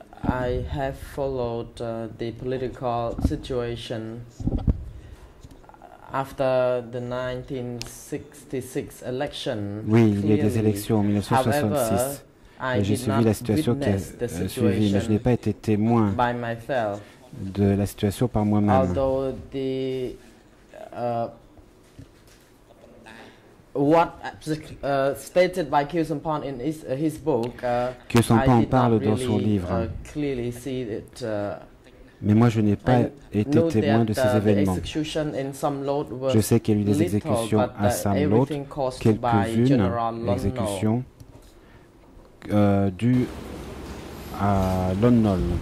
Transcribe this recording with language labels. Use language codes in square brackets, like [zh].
[en] I have followed the political situation after the 1966 election. [fr] Oui, il y a des élections en 1966. [en] However, [fr] j'ai suivi la situation qui a suivi, mais je n'ai pas été témoin de la situation par moi-même. [en] Although the what stated by Khieu Somphan in his book. [fr] Khieu Somphan parle dans son livre. [en] Clearly see it. [fr] Mais moi, je n'ai pas été témoin de ces événements. Je sais qu'il y a eu des exécutions à Samlot, quelques-unes exécutions dues à Lon Nol.